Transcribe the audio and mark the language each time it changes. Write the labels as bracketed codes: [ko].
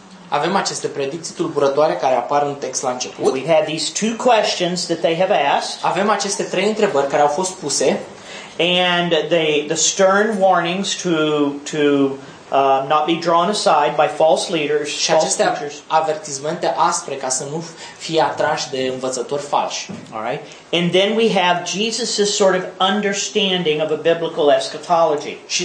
[ro] Avem aceste predicții tulburătoare care apar în text la început. [en] We've had these two questions that they have asked. [ro] Avem aceste trei întrebări care au fost puse. [en] And the stern warnings to not be drawn aside by false leaders, false teachers. [ro] Avertizmente aspre ca să nu fie atrași de învățători falși. [en] All right. And then we have Jesus' sort of understanding of a biblical eschatology.